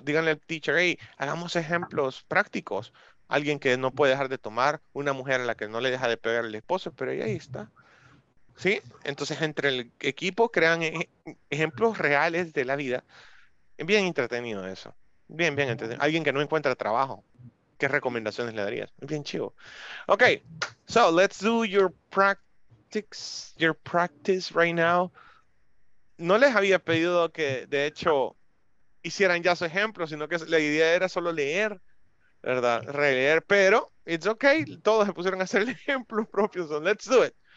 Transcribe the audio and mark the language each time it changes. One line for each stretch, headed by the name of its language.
Spanish: Díganle al teacher, hey, hagamos ejemplos prácticos. Alguien que no puede dejar de tomar, una mujer a la que no le deja de pegar el esposo, pero ella ahí está. ¿Sí? Entonces, entre el equipo, crean ejemplos reales de la vida. Bien entretenido eso. Bien, bien entretenido. Alguien que no encuentra trabajo, ¿qué recomendaciones le darías? Bien chivo.
English: Ok, so let's do your practice right now.
Spanish: No les había pedido que, de hecho, hicieran ya su ejemplo, sino que la idea era solo leer, ¿verdad? Releer, pero
English: it's okay.
Spanish: Todos se pusieron a hacer el ejemplo propio,
English: so let's do it.